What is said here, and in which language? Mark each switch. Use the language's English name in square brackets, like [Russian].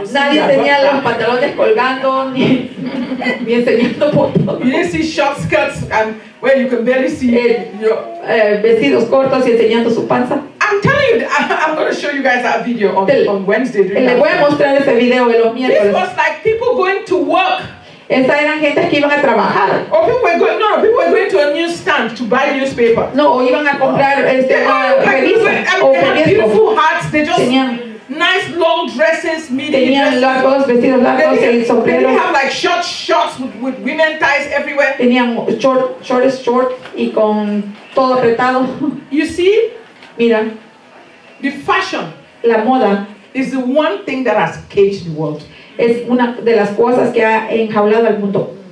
[Spanish] Nadie tenía los pantalones colgando ni enseñando por [English] todo. You didn't see short skirts and where you can barely see [Spanish] vestidos cortos y enseñando su panza. [English] I'm telling you, I'm going to show you guys that video on Wednesday. [Spanish] Le voy a mostrar ese video de los miércoles. [English] This was like people going to work. [Spanish] Esa eran gente que iban a trabajar. [English] Or people were going, no, people were going to a newsstand to buy newspaper. [Spanish] No, o iban a comprar [English] beautiful hats. They just tenían nice long dresses, midi [Spanish] tenían Largos, vestidos largos, [English] they, [Spanish] y sombreros. [English] They have like short shorts with women ties everywhere. [Spanish] Tenían short, shortest short y con todo apretado. [English] You see? [Spanish] Mira. [English] The fashion. [Spanish] La moda. [English] Is the one thing that has caged the world. [Spanish] Es una de las cosas que ha enjaulado al mundo.